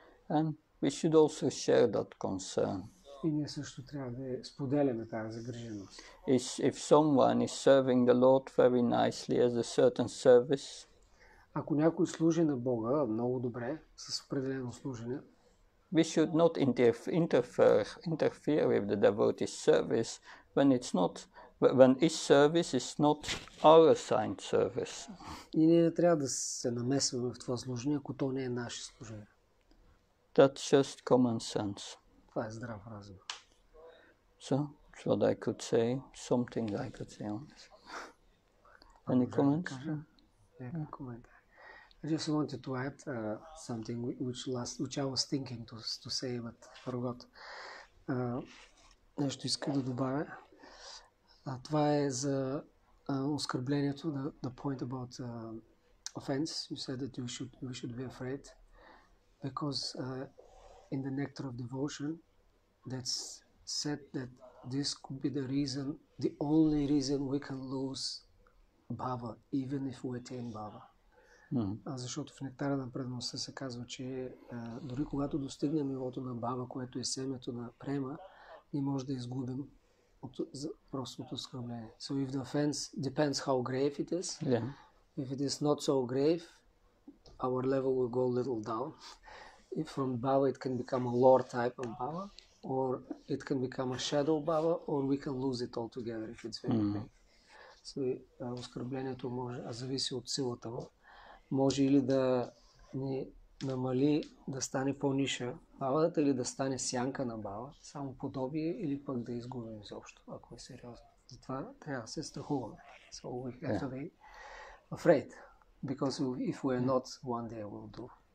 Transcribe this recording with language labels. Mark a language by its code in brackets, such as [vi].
[en] And we should also share that concern. [bg] И ние също трябва да споделяме тази загриженост. [en] If someone is serving the Lord very nicely as a certain service, [bg] ако някой служи на Бога много добре с определено служене, [en] we should not interfere with the devotee's service when his service is not our assigned service. [bg] И ние не трябва да се намесваме в това служене, ако то не е наше служене. [en] That's just common sense. [bg] Това е здрав разум. [en] So, that's what I could say. Something I could say on this. Any comments? I just wanted to add something which I was thinking to say, but forgot. [bg] Нещо иска да добавя. Това е за оскърблението, [en] the point about offense. You said that we should be afraid. Because in the Nectar of Devotion, that's said that this could be the reason, the only reason we can lose Bhava, even if we attain Bhava. Mm-hmm. [bg] Защото в Нектара на предността се казва, че дори когато достигнем нивото на Бхава, което е семето на према, ние може да изгубим от простото скръбление. [en] So if the offense depends how grave it is, yeah. If it is not so grave, our level will go a little down. If from Bhava it can become a lower type of Bhava, or it can become a shadow Bhava, or we can lose it altogether if it's very big. [bg] So, оскърблението може, а зависи от силата му, може или да ни намали да стане по-ниша Бхавата, или да стане сянка на Бхава, само подобие, или пък да изгубим изобщо, ако е сериозно. Затова трябва да се страхуваме. [en] So we have to be afraid. Because if we are not, one day we'll do.